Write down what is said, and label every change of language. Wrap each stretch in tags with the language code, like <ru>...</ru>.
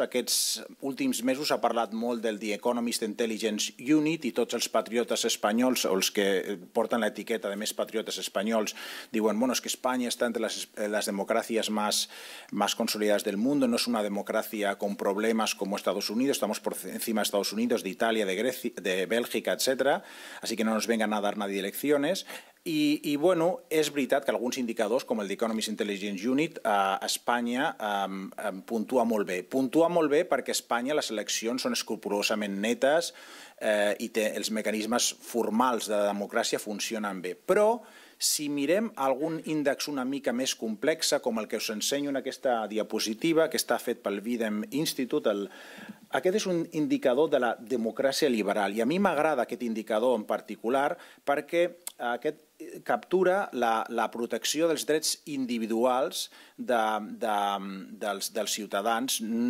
<ca>Aquests últims mesos ha parlat molt del The Economist Intelligence Unit, i tots els patriotes espanyols, o els que porten l'etiqueta de més patriotes espanyols, diuen, bueno, és que Espanya està entre les democràcies més consolidades del món, no és una democràcia con problemes com Estados Unidos,</ca> <es>estamos por encima de Estados Unidos, de Italia, de Grecia,</es> <ca>de Bèlgica, etc.</ca> <es>Así que no nos vengan a dar nadie lecciones.</es> <ca>I bueno, és veritat que alguns indicadors, com el The Economist Intelligence Unit, a Espanya puntua molt bé. Puntua molt bé perquè a Espanya les eleccions són escrupulosament netes i els mecanismes formals de la democràcia funcionen bé. Però si mirem algun índex una mica més complex, com el que us ensenyo en aquesta diapositiva, que està fet pel Videm Institute, aquest és un indicador de la democràcia liberal. I a mi m'agrada aquest indicador en particular perquè aquest captura la protecció dels drets individuals dels ciutadans,</ca>